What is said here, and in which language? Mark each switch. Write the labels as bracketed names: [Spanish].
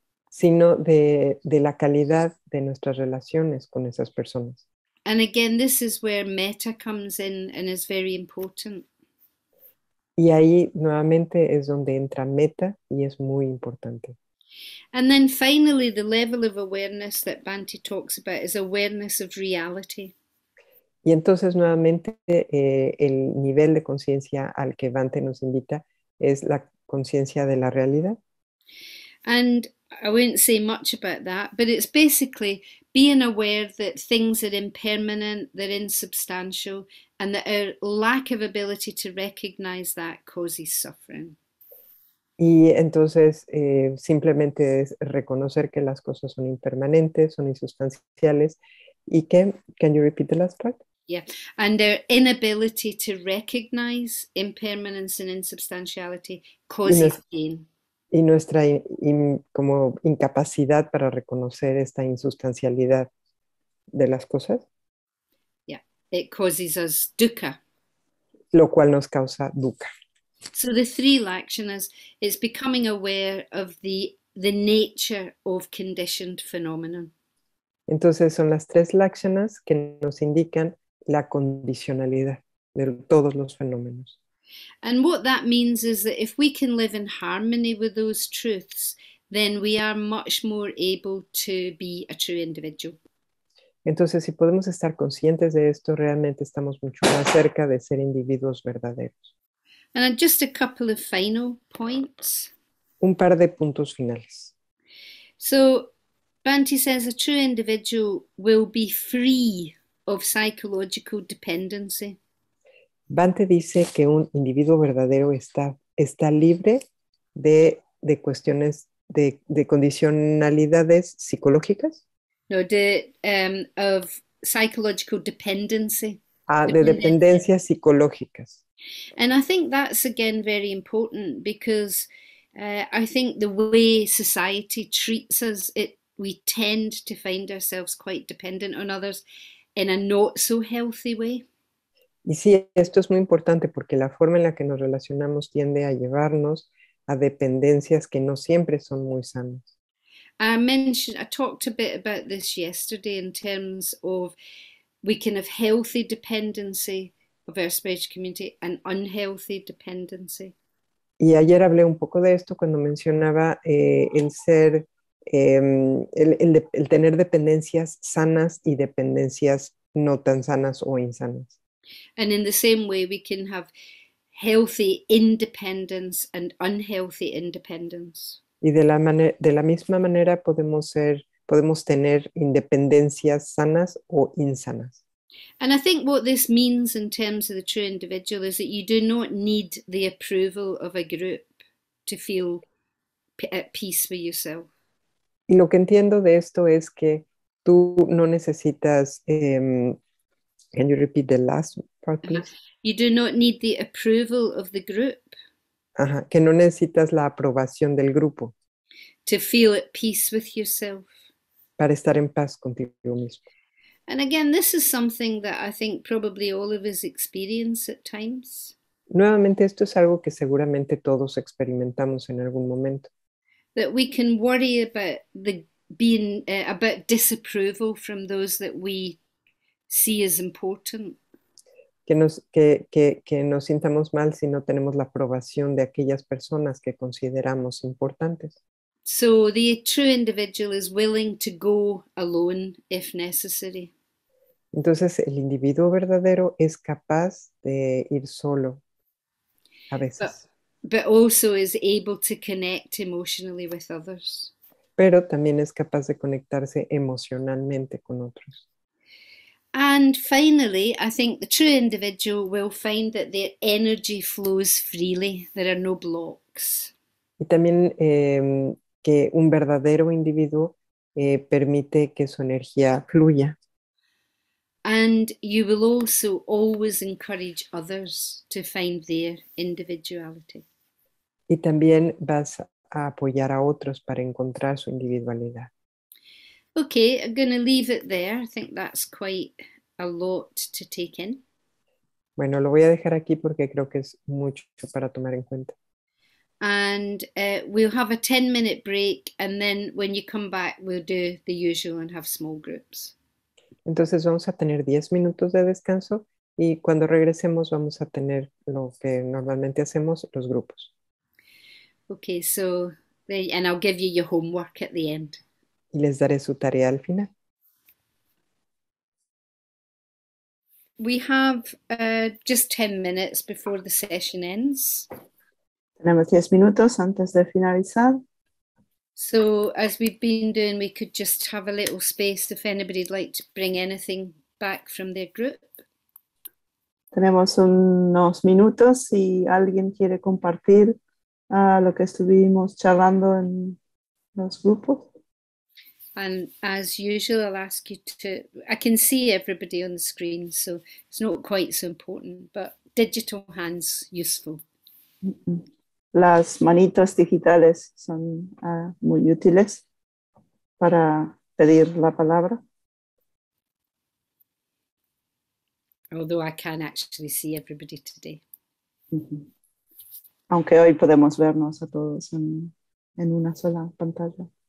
[Spanish] Sino de la calidad de nuestras relaciones con esas personas. [English] And again, this is where metta comes in and is very important. [Spanish] Y ahí nuevamente es donde entra meta y es muy importante. [English] And then finally, the level of awareness that Bhante talks about is awareness of reality. [Spanish] Y entonces nuevamente el nivel de conciencia al que Bante nos invita es la conciencia de la realidad. [English] And I won't say much about that, but it's basically being aware that things are impermanent, they're insubstantial, and that our lack of ability to recognize that causes suffering. [Spanish] Y entonces simplemente es reconocer que las cosas son impermanentes, son insustanciales y que, [English] can you repeat the last part? Yeah, and our inability to recognize impermanence and insubstantiality causes pain. [Spanish] Y nuestra como incapacidad para reconocer esta insustancialidad de las cosas, [English] It causes us dukkha. [Spanish] lo cual nos causa dukkha. [English] So the three lakshanas, it's becoming aware of the nature of conditioned phenomenon. [Spanish] Entonces son las tres lakshanas que nos indican la condicionalidad de todos los fenómenos. [English] And what that means is that if we can live in harmony with those truths, then we are much more able to be a true individual. [Spanish] Entonces, si podemos estar conscientes de esto, realmente estamos mucho más cerca de ser individuos verdaderos. [English] And just a couple of final points. [Spanish] Un par de puntos finales. [English] So, Bhante says a true individual will be free of psychological dependency. [Spanish] Bante dice que un individuo verdadero está libre de cuestiones de condicionalidades psicológicas. No, de [English] of psychological dependency. [Spanish] De dependencias psicológicas. [English] And I think that's again very important because I think the way society treats us, we tend to find ourselves quite dependent on others in a not so healthy way. [Spanish] Y sí, esto es muy importante porque la forma en la que nos relacionamos tiende a llevarnos a dependencias que no siempre son muy sanas. [English] I talked a bit about this yesterday in terms of we can have healthy dependency of our spiritual community and unhealthy dependency. [Spanish] Y ayer hablé un poco de esto cuando mencionaba el tener dependencias sanas y dependencias no tan sanas o insanas. [English] And in the same way, we can have healthy independence and unhealthy independence. [Spanish] Y de la misma manera podemos tener independencias sanas o insanas. [English] And I think what this means in terms of the true individual is that you do not need the approval of a group to feel at peace with yourself. [Spanish] Y lo que entiendo de esto es que tú no necesitas. [English] Can you repeat the last part, please? You do not need the approval of the group. [Spanish] Ajá, que no necesitas la aprobación del grupo. [English] To feel at peace with yourself. [Spanish] Para estar en paz contigo mismo. [English] And again, this is something that I think probably all of us experience at times. [Spanish] Nuevamente, esto es algo que seguramente todos experimentamos en algún momento. [English] That we can worry about the being about disapproval from those that we see as important. [Spanish] Que nos sintamos mal si no tenemos la aprobación de aquellas personas que consideramos importantes. [English] So the true individual is willing to go alone if necessary. [Spanish] Entonces, el individuo verdadero es capaz de ir solo a veces. [English] But also is able to connect emotionally with others. [Spanish] Pero también es capaz de conectarse emocionalmente con otros. [English] And finally, I think the true individual will find that their energy flows freely. There are no blocks. [Spanish] Y también que un verdadero individuo permite que su energía fluya. [English] And you will also always encourage others to find their individuality. [Spanish] Y también vas a apoyar a otros para encontrar su individualidad. [English] Okay, I'm going to leave it there. I think that's quite a lot to take in. [Spanish] Bueno, lo voy a dejar aquí porque creo que es mucho para tomar en cuenta. [English] And we'll have a 10-minute break, and then when you come back, we'll do the usual and have small groups. [Spanish] Entonces vamos a tener 10 minutos de descanso y cuando regresemos vamos a tener lo que normalmente hacemos, los grupos. [English] Okay, so, and I'll give you your homework at the end. [Spanish] Y les daré su tarea al final. [English] We have just 10 minutes before the session ends. [Spanish] Tenemos 10 minutos antes de finalizar. [English] So as we've been doing, we could just have a little space if anybody'd like to bring anything back from their group. [Spanish] Tenemos unos minutos si alguien quiere compartir lo que estuvimos charlando en los grupos. [English] And as usual, I'll ask you to, I can see everybody on the screen, so it's not quite so important, but digital hands useful. Mm-mm. [Spanish] Las manitas digitales son muy útiles para pedir la palabra. [English] Although I can actually see everybody today. Mm-hmm. [Spanish] Aunque hoy podemos vernos a todos en una sola pantalla.